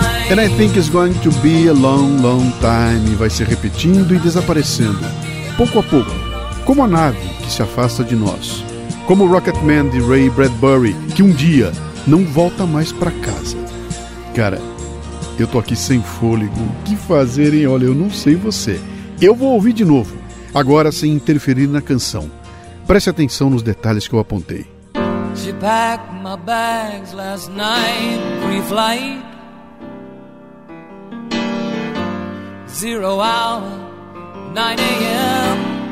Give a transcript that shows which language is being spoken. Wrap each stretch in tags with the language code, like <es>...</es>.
<en>And I think it's going to be a long, long time.</en> <pt>Vai se repetindo e desaparecendo, pouco a pouco. Como a nave que se afasta de nós. Como o Rocketman de Ray Bradbury, que um dia não volta mais pra casa. Cara, eu tô aqui sem fôlego. O que fazer, hein? Olha, eu não sei você. Eu vou ouvir de novo, agora sem interferir na canção. Preste atenção nos detalhes que eu apontei.</pt> <en>She packed my bags last night, free flight. Zero hour, 9 a.m.</en>